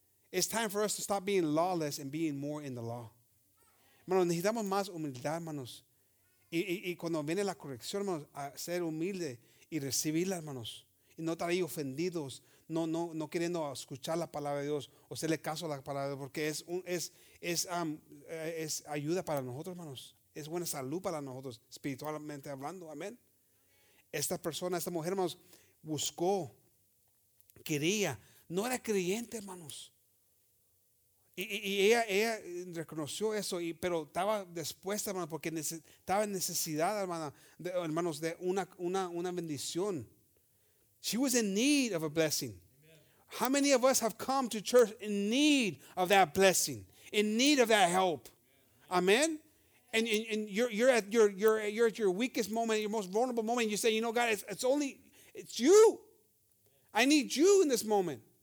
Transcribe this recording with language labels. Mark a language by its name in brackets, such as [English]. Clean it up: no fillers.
[English] It's time for us to stop being lawless and being more in the law. [Spanish] Hermanos, necesitamos más humildad, hermanos. Y cuando viene la corrección, hermanos, a ser humilde y recibirla, hermanos. Y no estar ahí ofendidos, no queriendo escuchar la palabra de Dios o hacerle caso a la palabra de Dios, porque es ayuda para nosotros, hermanos. Es buena salud para nosotros, espiritualmente hablando. Amén. Esta persona, esta mujer, hermanos, buscó, quería, no era creyente, hermanos. Y ella reconoció eso, pero estaba dispuesta, hermanos, porque estaba en necesidad, hermanos, de una bendición. [English] She was in need of a blessing. Amen. How many of us have come to church in need of that blessing, in need of that help? Amen. And you're at your weakest moment, your most vulnerable moment. You say, you know, God, it's you. I need you in this moment.